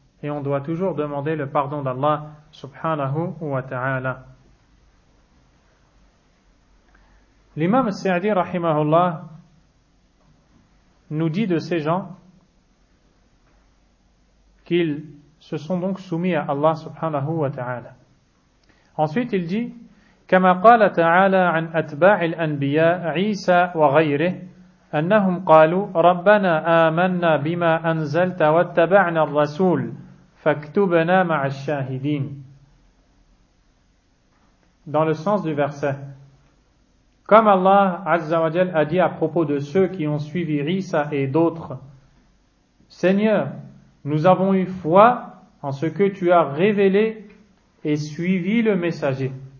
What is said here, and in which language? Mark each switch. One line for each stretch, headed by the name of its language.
French: Et on doit toujours demander le pardon d'Allah subhanahu wa ta'ala. L'imam Sa'di rahimahullah nous dit de ces gens qu'ils se sont donc soumis à Allah subhanahu wa ta'ala. Ensuite il dit
Arabic: « كما قال تعالى عن أتباع الأنبياء عيسى وغيره » أنهم قالوا ربنا آمنا بما أنزلت واتبعنا الرسول فاكتبنا مع الشاهدين.
French: Dans le sens du verset, comme Allah Azza wa Jal a dit à propos de ceux qui ont suivi Isa et d'autres, Seigneur, nous avons eu foi en ce que tu as révélé et suivi le messager.